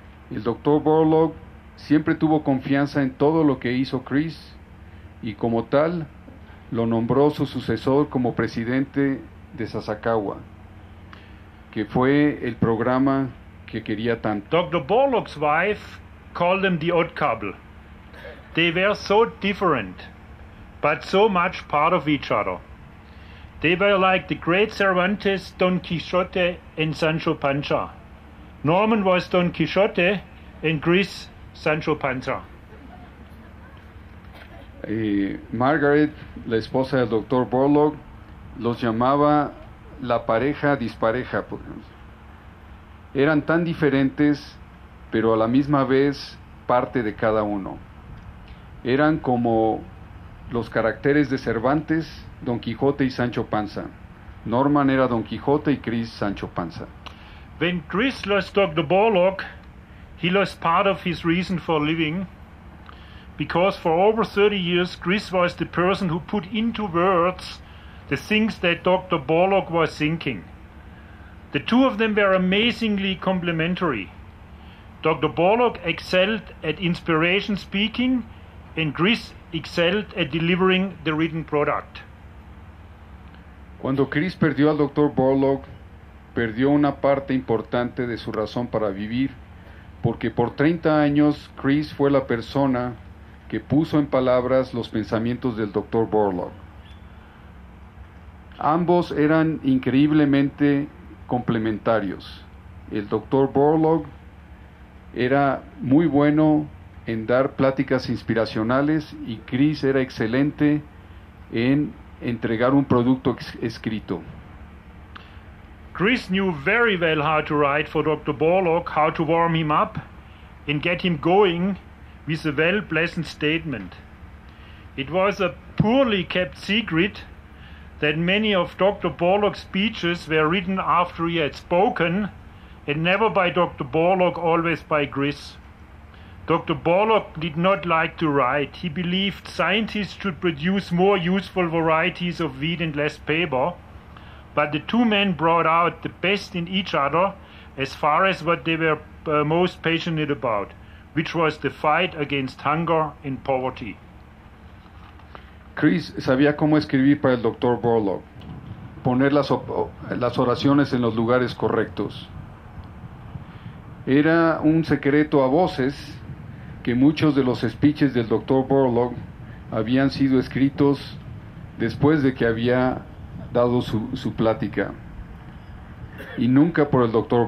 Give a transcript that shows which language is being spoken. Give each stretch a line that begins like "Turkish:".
Spanish: El doctor Borlaug siempre tuvo confianza en todo lo que hizo Chris y como tal lo nombró su sucesor como presidente de Sasakawa, que fue el programa que quería tanto.
English: Dr. Borlaug's wife called them the odd couple. They were so different, but so much part of each other. They were like the great Cervantes, Don Quixote, and Sancho Panza. Norman was Don Quixote, and Chris, Sancho Panza.
Spanish: Margaret, la esposa del Dr. Borlaug, los llamaba la pareja dispareja. Eran tan diferentes, pero a la misma vez parte de cada uno. Eran como los caracteres de Cervantes, Don Quijote y Sancho Panza. Norman era Don Quijote y Chris Sancho Panza.
English: When Chris lost Dr. Borlaug, he lost part of his reason for living, because for over 30 years Chris was the person who put into words the things that Dr. Borlaug was thinking. The two of them were amazingly complementary. Dr. Borlaug excelled at inspiration speaking, and Chris excelled at delivering the written product.
Spanish: Cuando Chris perdió al Dr. Borlaug, perdió una parte importante de su razón para vivir, porque por 30 años Chris fue la persona que puso en palabras los pensamientos del Dr. Borlaug. Ambos eran increíblemente complementarios. El Dr. Borlaug era muy bueno en dar pláticas inspiracionales y Chris era excelente en entregar un producto escrito.
English: Chris knew very well how to write for Dr. Borlaug, how to warm him up and get him going with a well-pleasant statement. It was a poorly kept secret that many of Dr. Borlaug's speeches were written after he had spoken, and never by Dr. Borlaug, always by Chris. Dr. Borlaug did not like to write. He believed scientists should produce more useful varieties of wheat and less paper. But the two men brought out the best in each other as far as what they were most passionate about, which was the fight against hunger and poverty.
Spanish: Chris sabía cómo escribir para el Dr. Borlaug, poner las oraciones en los lugares correctos. Era un secreto a voces que muchos de los speeches del Dr. Borlaug habían sido escritos después de que había dado su plática, y nunca por el Dr.